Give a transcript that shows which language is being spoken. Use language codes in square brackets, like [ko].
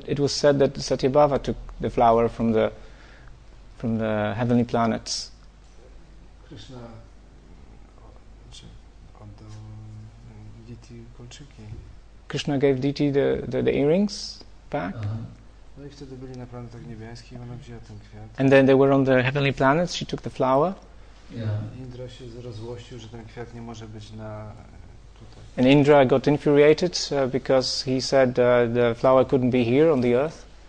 [en] It was said that Satyabhava took the flower from the heavenly planets. [pl] Krishna oddał Diti kolczyki. [en] Krishna gave Diti the earrings back. [pl] No i wtedy byli na planetach niebiańskich i ona wzięła ten kwiat. [en] And then they were on the heavenly planets, she took the flower. Yeah. [pl] Indra się rozłościł, że ten kwiat nie może być na tutaj. [en] And Indra got infuriated because he said the flower couldn't be here on the earth.